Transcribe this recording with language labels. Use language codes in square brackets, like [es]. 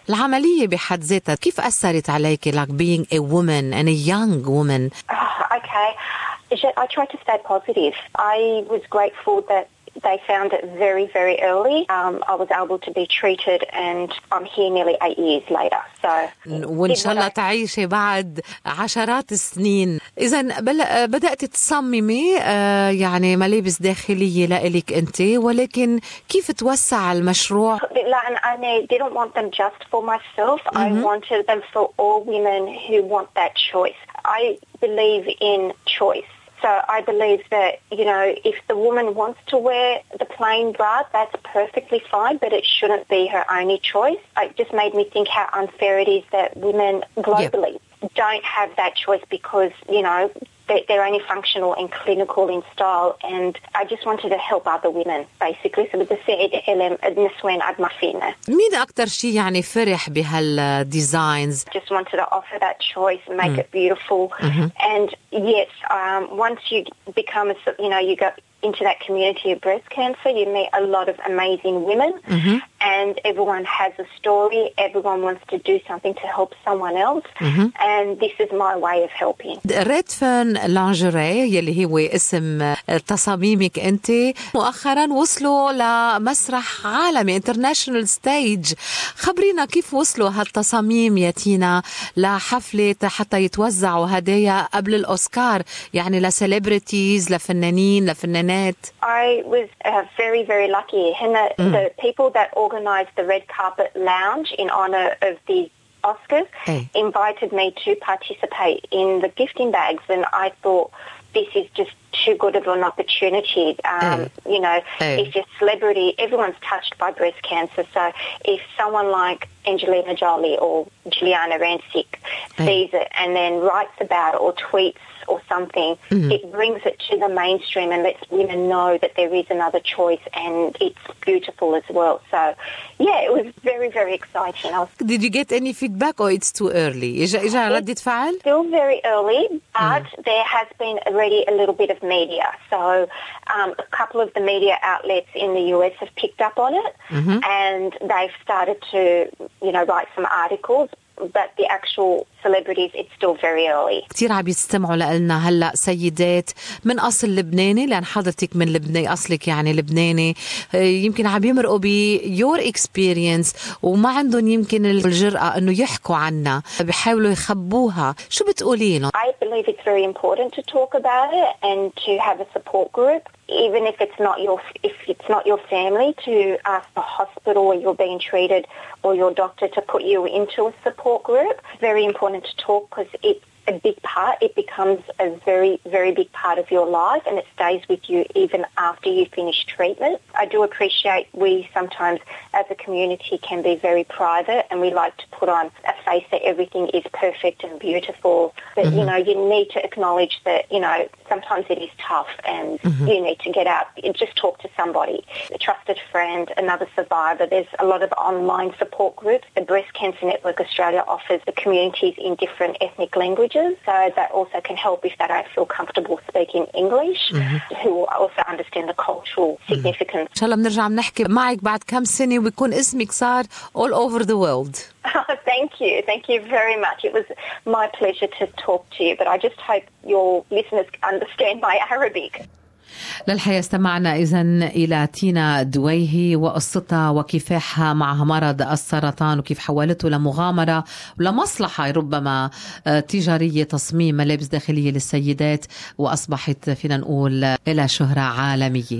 [ar] العملية بحد ذاتها كيف أثرت عليك, [en] like being a woman and a young woman? Okay. I tried to stay positive. I was grateful that They found it very, very early. I was able to be treated and I'm here nearly 8 years later. So [ar] وإن شاء الله تعيشي بعد عشرات السنين. إذا بدأت تصممي يعني ملابس داخلية لإلك أنت، ولكن كيف توسع المشروع؟ لا أنا [en] didn't want them just for myself. I wanted them for all women who want that choice. I believe in choice. So I believe that, you know, if the woman wants to wear the plain bra, that's perfectly fine, but it shouldn't be her only choice. It just made me think how unfair it is that women globally don't have that choice because, you know, they're only functional and clinical in style. And I just wanted to help other women, basically. So with the سعيد ألم نسوين عد مفينة. [ar] مين أكتر شي يعني فرح بهال designs؟ [en] Just wanted to offer that choice, make it beautiful. And yes, once you become, you know, you go into that community of breast cancer, you meet a lot of amazing women. And everyone has a story. Everyone wants to do something to help someone else. And this is my way of helping. [ar] Red Fern Lingerie, يلي هو اسم تصاميمك أنت، مؤخرا وصلوا لمسرح عالمي [en] International Stage. [ar] خبرينا كيف وصلوا هالتصاميم يا تينا لحفلة حتى يتوزعوا هدايا قبل الأوسكار، يعني لسليبرتيز، لفنانين، لفنانات. [en] I was very, very lucky. The people that organized the red carpet lounge in honor of the Oscars invited me to participate in the gifting bags, and I thought this is just too good of an opportunity. You know, if you're a celebrity, everyone's touched by breast cancer, so if someone like Angelina Jolie or Juliana Rancic sees it and then writes about it or tweets or something, it brings it to the mainstream and lets women know that there is another choice and it's beautiful as well. So yeah, it was very, very exciting. Did you get any feedback or it's too early? It's still very early, but there has been already a little bit of media. So a couple of the media outlets in the US have picked up on it and they've started to, you know, write some articles. But the actual celebrities, it's still very early. [ar] كتير عم يستمعوا لنا هلا سيدات من أصل لبناني، لأن حضرتك من لبنان، أصلك يعني لبناني، يمكن عم يمرقوا [en] pure experience [ar] وما عندهم يمكن الجرأة إنه يحكوا عنها، بحاولوا يخبوها. شو بتقولي لهم؟ [en] I believe it's very important to talk about it and to have a support group, even if it's not your family, to ask the hospital where you're being treated or your doctor to put you into a support group. Very important to talk because it's a big part. It becomes a very, very big part of your life and it stays with you even after you finish treatment. I do appreciate we sometimes as a community can be very private and we like to put on a face that everything is perfect and beautiful. But, you know, you need to acknowledge that, you know, sometimes it is tough and you need to get out and just talk to somebody, a trusted friend, another survivor. There's a lot of online support groups. The Breast Cancer Network Australia offers the communities in different ethnic languages, so that also can help if they don't feel comfortable speaking English, who also understand the cultural significance. [ar] إن شاء الله بنرجع بنحكي معك بعد كم سنة ويكون اسمك صار [en] all over the world. Thank you very much. It was my pleasure to talk to you, but I just hope your listeners understand my Arabic. [ar] للحياة استمعنا إذن إلى تينا دويهي وقصتها وكفاحها مع مرض السرطان وكيف حولته لمغامرة ولمصلحة ربما تجارية، تصميم ملابس داخلية للسيدات وأصبحت فينا نقول إلى شهرة عالمية.